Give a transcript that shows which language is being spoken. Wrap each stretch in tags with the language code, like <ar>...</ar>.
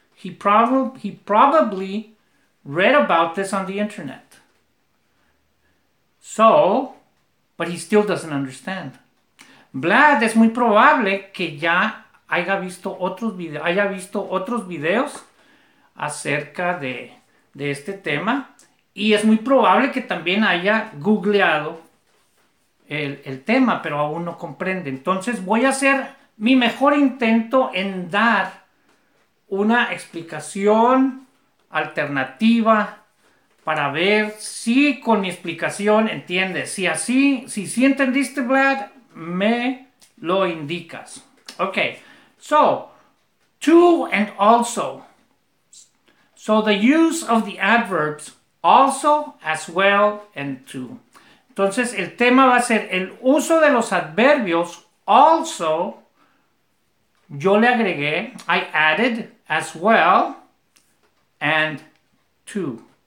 <en>He probably read about this on the internet. So, but he still doesn't understand.</en> <es>Vlad, es muy probable que ya haya visto otros videos acerca de este tema. Y es muy probable que también haya googleado el tema, pero aún no comprende. Entonces voy a hacer mi mejor intento en dar una explicación alternativa para ver si con mi explicación entiendes. Si entendiste, Vlad, me lo indicas.</es> <en>Okay, so, to and also. So, the use of the adverbs also, as well, and to.</en> <es>Entonces, el tema va a ser el uso de los adverbios also. Yo le agregué,</es> <en>I added as well and to.</en>